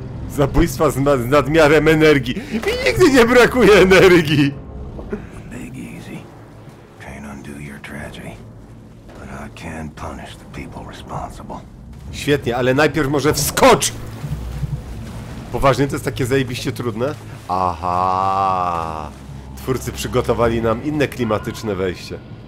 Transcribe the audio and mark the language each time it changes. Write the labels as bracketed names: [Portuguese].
[Polish] Zabójstwa z nadmiarem energii. Mi nigdy nie brakuje energii. [English] Big easy. Can't undo your tragedy. But I can punish the people responsible. [Polish] Świetnie, ale najpierw może wskocz! Poważnie, to jest takie zajebiście trudne? Aha. Twórcy przygotowali nam inne klimatyczne wejście.